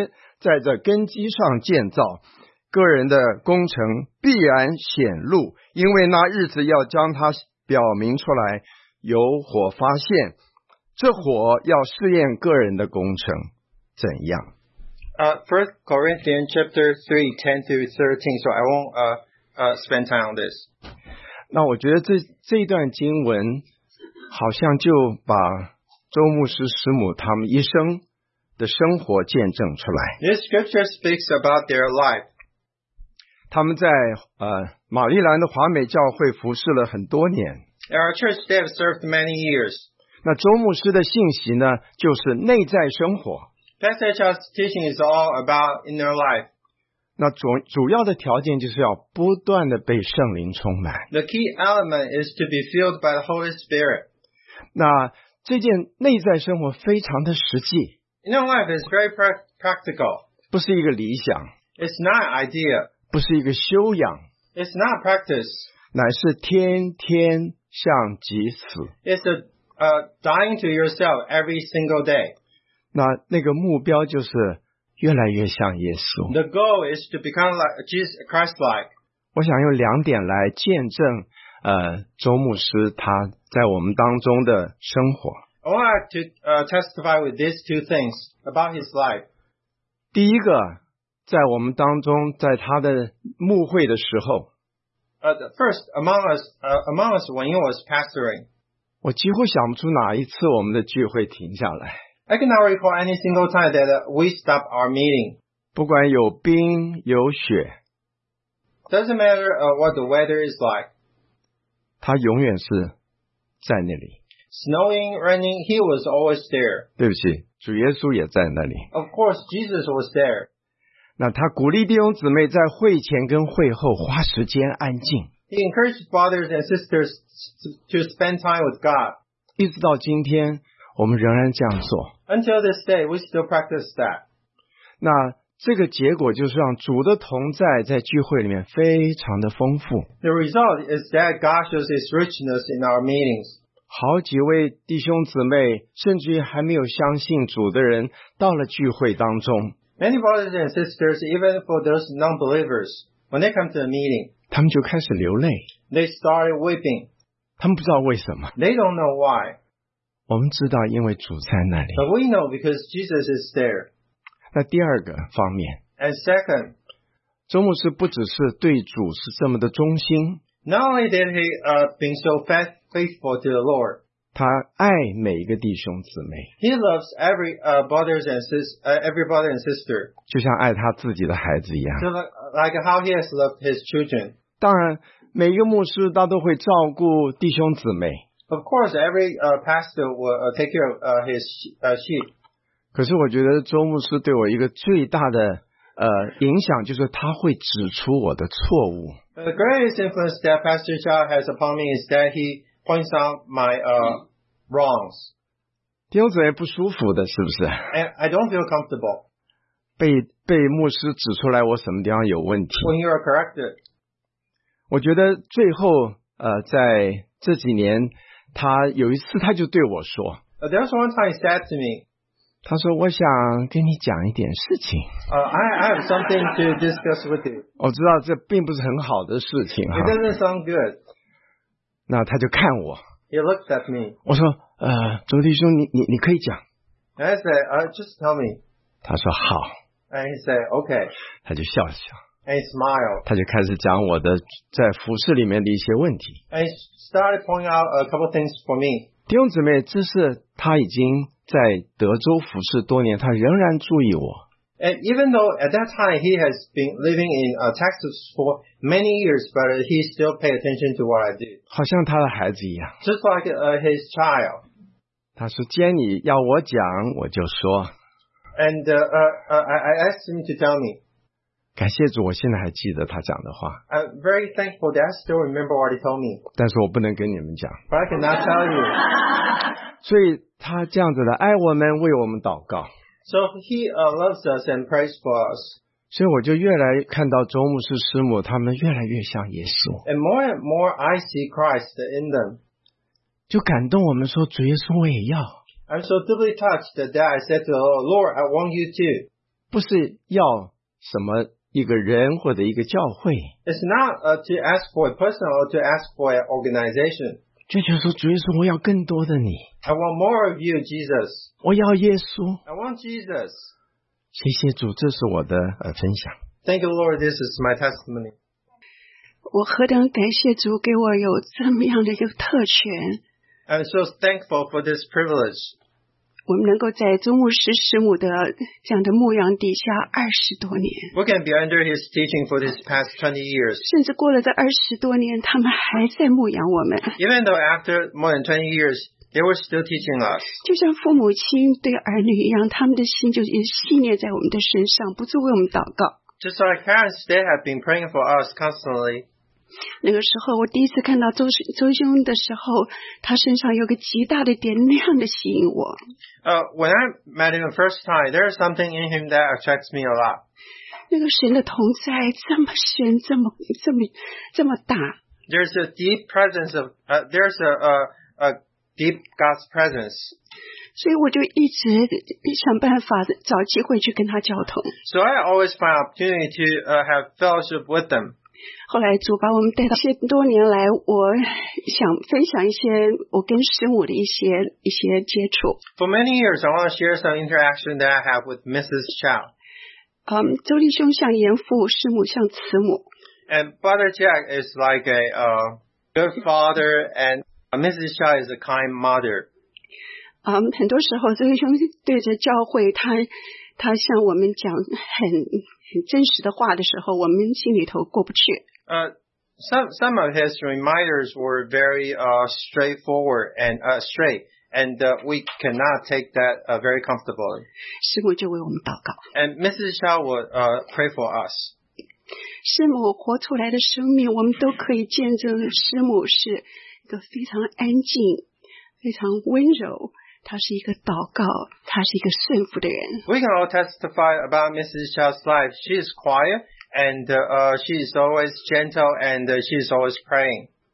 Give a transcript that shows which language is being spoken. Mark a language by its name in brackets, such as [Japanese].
[Chinese] 这边说，我照着神所给我的恩，好像一个聪明的工头，立好了根基，有别人在上面建造，只是个人要谨慎怎样在上面建造，因为那已经立好的根基就是耶稣基督，此外没有人能立别的根基。若有人用金银宝石草木禾秸在这根基上建造， 个人的工程必然显露，因为那日子要将它表明出来，有火发现，这火要试验个人的工程怎样。 [English] First Corinthians chapter 3:10-13, so I won't spend time on this. [Chinese] 那我觉得这段经文好像就把周牧师师母他们一生的生活见证出来。 [English] This scripture speaks about their life. [Chinese] 他们在 玛丽兰的华美教会服侍了很多年。 [English] Our church they have served many years. [Chinese] 那周牧师的信息呢，就是内在生活。 [English] Passage of teaching is all about inner life. [Chinese] 那主要的条件就是要不断的被圣灵充满。 [English] The key element is to be filled by the Holy Spirit. [Chinese] 那这件内在生活非常的实际。 [English] You know, life is very practical. [Chinese] 不是一个理想。 [English] It's not idea. [Chinese] 不是一个修养。 [English] It's not practice. [Chinese] 乃是天天向己死。 [English] It's a, dying to yourself every single day. [Chinese] 那个目标就是越来越像耶稣。 [English] The goal is to become like Jesus Christ-like. [Chinese] 我想用两点来见证周牧师他在我们当中的生活。 [English] I want to testify with these two things about his life. [Chinese] 第一个，在我们当中，在他的牧会的时候。 [English] First, among us, when he was pastoring. [Chinese] 我几乎想不出哪一次我们的聚会停下来。 [English] I cannot recall any single time that we stopped our meeting. [Chinese] 不管有冰有雪。 [English] Doesn't matter what the weather is like. [Chinese] 他永远是在那里。 [English] Snowing, raining, he was always there. [Chinese] 对不起，主耶稣也在那里。 [English] Of course, Jesus was there. [Chinese] 那他鼓励弟兄姊妹在会前跟会后花时间安静。 [English] He encouraged brothers and sisters to spend time with God. [Chinese] 一直到今天，我们仍然这样做。 [English] Until this day, we still practice that. [Chinese] 那这个结果就是让主的同在在聚会里面非常的丰富。 [English] The result is that God shows his richness in our meetings. [Chinese] 好几位弟兄姊妹，甚至于还没有相信主的人，到了聚会当中。 [English] Many brothers and sisters, even for those non-believers, when they come to the meeting, [Chinese] 他们就开始流泪。 [English] They started weeping. [Chinese] 他们不知道为什么。 [English] They don't know why. [Chinese] 我们知道，因为主在那里。 [English] But we know because Jesus is there. [Chinese] 那第二个方面。 [English] And second, [Chinese] 周牧师不只是对主是这么的忠心。 [English] Not only did he been so faithful to the Lord. [Chinese] 他爱每一个弟兄姊妹。 [English] He loves every brother and sister. [Chinese] 就像爱他自己的孩子一样。 [English] So like how he has loved his children. [Chinese] 当然，每一个牧师他都会照顾弟兄姊妹。 [English] Of course, every pastor will take care of his sheep. [Chinese] 可是我觉得周牧师对我一个最大的影响就是他会指出我的错误。 [English] The greatest influence that Pastor Chao has upon me is that he points out my wrongs. [Chinese] 弟兄姊妹不舒服的是不是？ [English] I don't feel comfortable. [Chinese] 被牧师指出来我什么地方有问题。 [English] When you are corrected. [Chinese] 我觉得最后在这几年他有一次他就对我说。 [English] There was one time he said to me. [Chinese] 他说我想跟你讲一点事情。 [English] I have something to discuss with you. [Chinese] 我知道这并不是很好的事情。 [English] It doesn't sound good. [Chinese] 那他就看我。 [English] He looked at me. [Chinese] 我说周弟兄你可以讲。 [English] And I said, just tell me. [Chinese] 他说好。 [English] And he said, okay. [Chinese] 他就笑笑。 [English] And he smiled. [Chinese] 他就开始讲我的在服事里面的一些问题。 [English] And he started pointing out a couple things for me. [Chinese] 弟兄姊妹这是他已经在德州服侍多年，他仍然注意我。 [English] And even though at that time he has been living in Texas for many years, but he still pay attention to what I do. [Chinese] 好像他的孩子一样。 [English] Just like his child. [Chinese] 他说：“既然你要我讲，我就说。 [English] ”And I asked him to tell me. [Chinese] 感谢主，我现在还记得他讲的话。 [English] I'm very thankful that I still remember what he told me. [Chinese] 但是我不能跟你们讲。 [English] But I cannot tell you. [Chinese] 所以他这样子的爱我们为我们祷告。 [English] So he loves us and prays for us. [Chinese] 所以我就越来看到周牧师师母他们越来越像耶稣。 [English] And more and more I see Christ in them. [Chinese] 就感动我们说主耶稣我也要。 [English] I'm so deeply touched that I said to the Lord, Lord, I want you too. [Chinese] 不是要什么一个人或者一个教会。 [English] It's not to ask for a person or to ask for an organization. [Chinese] 就觉得说主耶稣我要更多的你。 [English] I want more of you, Jesus. [Chinese] 我要耶稣。 [English] I want Jesus. [Chinese] 谢谢主这是我的分享。 [English] Thank you, Lord, this is my testimony. [Chinese] 我何等感谢主给我有这么样的一个特权。 [English] I'm so thankful for this privilege. [Chinese] 我们能够在周牧师师母的这样的牧养底下20多年。 [English] We can be under his teaching for these past 20 years. [Chinese] 甚至过了这20多年他们还在牧养我们。 [English] Even though after more than 20 years, they were still teaching us. [Chinese] 就像父母亲对儿女一样他们的心就系列在我们的身上不住为我们祷告。 [English] Just like parents, they have been praying for us constantly. [Chinese] 那个时候我第一次看到 周兄的时候，他身上有个极大的点亮的吸引我。 [English] When I met him the first time, there is something in him that attracts me a lot. [Chinese] 那个神的同在这么深，这么大。 [English] There's a deep presence of, there's a deep God's presence. [Chinese] 所以我就一直想办法找机会去跟他交通。 [English] So I always find opportunity to have fellowship with them. [Chinese] 后来主把我们带到一些多年来，我想分享一些我跟神母的一些接触。 [English] For many years, I want to share some interaction that I have with Mrs. Chow. [Chinese] 周立兄像严父，师母像慈母。 [English] And Brother Jack is like a good father, and Mrs. Chow is a kind mother. [Chinese] 很多时候周立兄对着教会，他向我们讲很真实的话的时候，我们心里头过不去。 [English] Some of his reminders were very straightforward and straight, and we cannot take that very comfortably. [Chinese] 师母就为我们祷告。 [English] And Mrs. Chow would pray for us. [Chinese] 师母活出来的生命，我们都可以见证师母是一个非常安静，非常温柔。他是一个祷告，他是一个顺服的人。 [English] We can all testify about Mrs. Chow's life. She is quiet, and she is always gentle, and she is always praying.